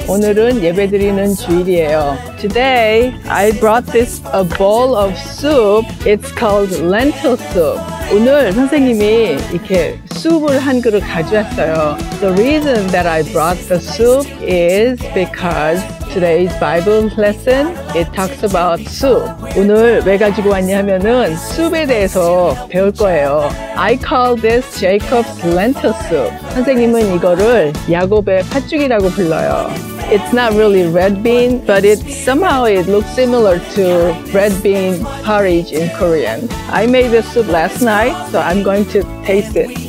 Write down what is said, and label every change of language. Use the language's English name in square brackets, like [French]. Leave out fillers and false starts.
[Korean] 오늘은 예배드리는 주일이에요. [English] Today, I brought this a bowl of soup. It's called lentil soup. [Korean] 오늘 선생님이 이렇게 수프를 한 그릇 가져왔어요. [English] The reason that I brought the soup is because today's Bible lesson, it talks about soup. [Korean] 오늘 왜 가지고 왔냐면은 수프에 대해서 배울 거예요. [English] I call this Jacob's lentil soup. [Korean] 선생님은 이거를 야곱의 팥죽이라고 불러요. [English] It's not really red bean, but it somehow it looks similar to red bean porridge in Korean. I made this soup last night, so I'm going to taste it.